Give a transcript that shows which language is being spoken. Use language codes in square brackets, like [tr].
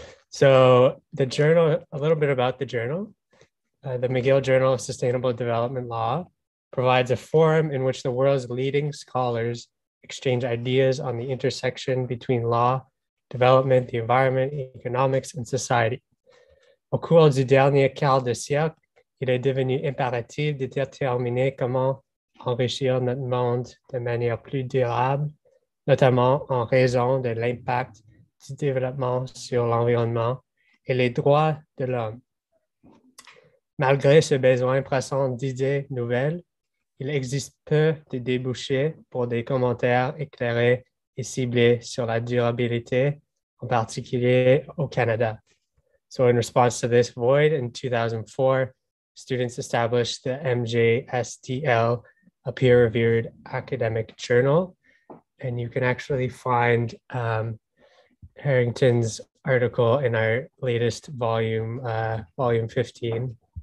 [en] So the journal, a little bit about the journal, the McGill Journal of Sustainable Development Law provides a forum in which the world's leading scholars exchange ideas on the intersection between law, development, the environment, economics, and society. [fr] Au cours du dernier quart de siècle, il est devenu impératif de déterminer comment enrichir notre monde de manière plus durable, notamment en raison de l'impact du développement sur l'environnement et les droits de l'homme. Malgré ce besoin pressant d'idées nouvelles, il existe peu de débouchés pour des commentaires éclairés et ciblés sur la durabilité, en particulier au Canada. [en] So in response to this void, in 2004, students established the MJSDL, a peer-reviewed academic journal. And you can actually find Harrington's article in our latest volume, volume 15.